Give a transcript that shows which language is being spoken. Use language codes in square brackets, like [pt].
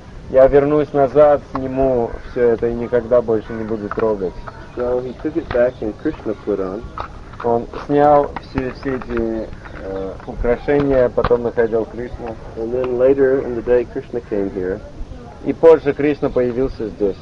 [ru] Я вернусь назад, сниму все это и никогда больше не буду трогать. [en] So he took it back and Krishna put on. [ru] Он снял все эти украшения, потом находил Кришну. [en] And then later in the day Krishna came here. [ru] И позже Кришна появился здесь.